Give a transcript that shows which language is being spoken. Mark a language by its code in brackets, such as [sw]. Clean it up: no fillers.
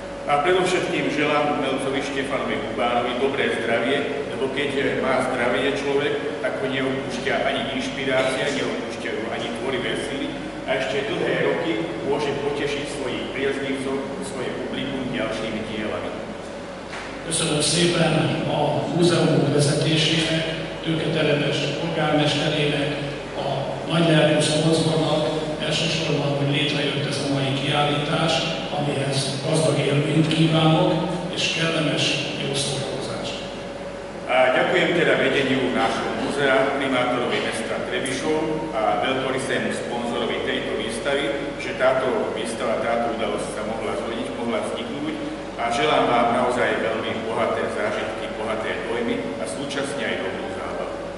[sk] A predovšetkým želám umelcovi Štefanovi Kubánovi dobré zdravie, lebo keď má zdravie človek, tak ho neopúšťa ani inšpirácia, neopúšťa ho ani tvorivé sily, a ešte dlhé roky môže potešiť svojich priaznivcov, svoje publikum ďalšími dielami. [hu] Köszönöm szépen a múzeum vezetésének, Tőke Terebes polgármesterének, a Nagy Lelkű Szabozvannak, elsősorban, hogy létrejött ez a mai kiállítás, amihez gazdag élményt kívánok, és kellemes, jó szórakozást. [sk] Ďakujem teda vedeniu nášho múzea, primátorovi mesta Trebišov a veľkorysému sponzorovi tejto výstavy, že táto výstava, táto udalosť sa mohla zrodiť, mohla vzniknúť a želám vám naozaj veľmi bohaté zážitky, bohaté dojmy a súčasne aj dobrú zábavu.